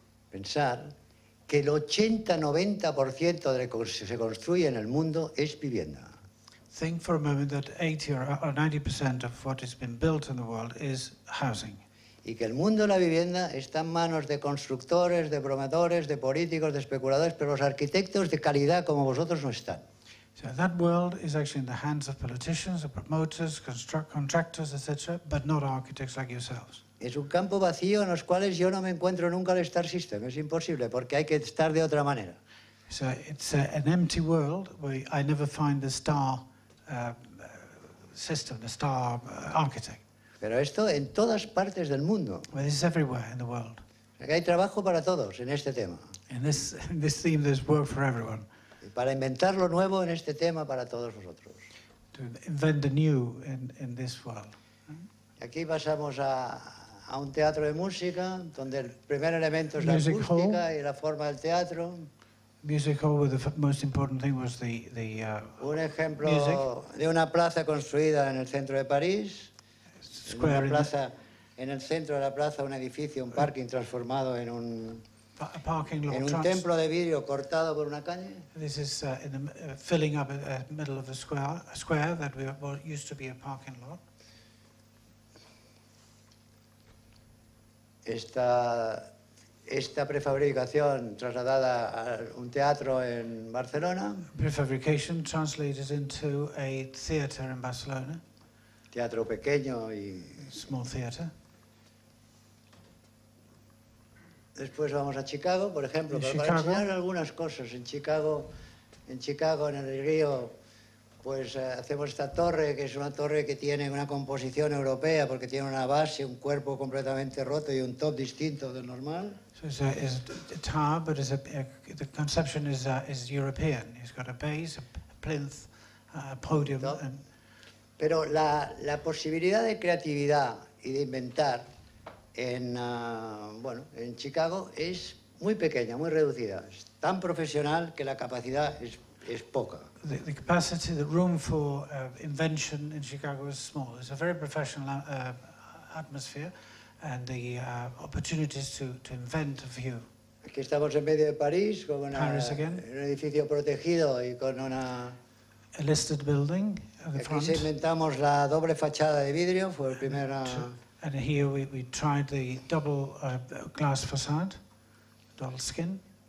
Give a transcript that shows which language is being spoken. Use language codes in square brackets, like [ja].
[es] Pensar que el 80-90% de lo que se construye en el mundo es vivienda. [en] think for a moment that 80 or 90% of what has been built in the world is housing. [es] Y que el mundo de la vivienda está en manos de constructores, de promotores, de políticos, de especuladores, pero los arquitectos de calidad como vosotros no están. [en] So that world is actually in the hands of politicians, of promoters, contractors, etc., but not architects like yourselves. [es] Es un campo vacío en los cuales yo no me encuentro nunca al star system. Es imposible porque hay que estar de otra manera. [en] So it's an empty world where I never find the star system, the star architect. [es] Pero esto en todas partes del mundo. [en] But this is everywhere in the world. [es] Aquí hay trabajo para todos en este tema. [en] In this theme, there's work for everyone. [es] Para inventar lo nuevo en este tema para todos vosotros. [en] To invent the new in this world. [es] Y aquí pasamos a un teatro de música, donde el primer elemento es la acústica y la forma del teatro. [en] Music hall, where the most important thing was the music. [es] Un ejemplo de una plaza construida en el centro de París. [en] Square. [es] En, una plaza, en el centro de la plaza, un edificio, un parking transformado en un... [en] A parking lot. [es] En un templo de vidrio cortado por una calle. [en] This is in the, filling up the middle of a square that we were, used to be a parking lot. [es] Esta prefabricación trasladada a un teatro en Barcelona. [en] Prefabrication translated into a theater in Barcelona. [es] Teatro pequeño y... [en] Small theater. [es] Después vamos a Chicago, por ejemplo, [en] Chicago. [es] Para enseñar algunas cosas. En Chicago, en el río, pues hacemos esta torre, que es una torre que tiene una composición europea, porque tiene una base, un cuerpo completamente roto y un top distinto del normal. [en] So it's a tower, but the conception is European. It's got a base, a plinth, a podium. And... [es] Pero la posibilidad de creatividad y de inventar en Chicago es muy pequeña, muy reducida. Es tan profesional que la capacidad es poca. [en] The capacity, the room for invention in Chicago is small. It's a very professional atmosphere, and the opportunities to invent are few. [es] Aquí estamos en medio de París, con una, [en] Paris again. [es] Un edificio protegido y con una... [en] A listed building at the front. [es] Aquí inventamos la doble fachada de vidrio, fue el primer... [en] And here we tried the double glass facade, double skin.